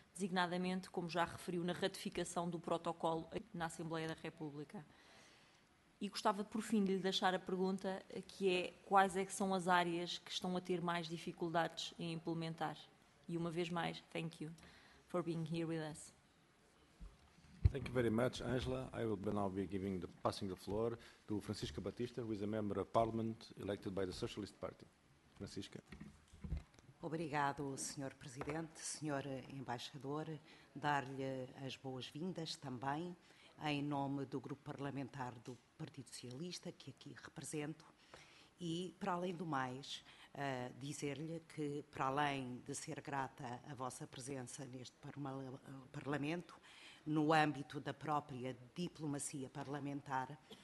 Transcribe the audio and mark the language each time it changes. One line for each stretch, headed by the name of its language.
Portuguese: designadamente, como já referiu, na ratificação do protocolo na Assembleia da República. E gostava, por fim, de lhe deixar a pergunta, que é quais é que são as áreas que estão a ter mais dificuldades em implementar? E, uma vez mais,
English: thank you for being here with us. Thank you very much, Angela. I will now be giving the passing the floor to Francisca Batista, who is a member of Parliament elected by the Socialist Party. Francisca.
Portuguese: Obrigado, Sr. Presidente, Sr. Embaixador, dar-lhe as boas-vindas também em nome do Grupo Parlamentar do Partido Socialista, que aqui represento, e, para além do mais, dizer-lhe que, para além de ser grata à vossa presença neste Parlamento, no âmbito da própria diplomacia parlamentar,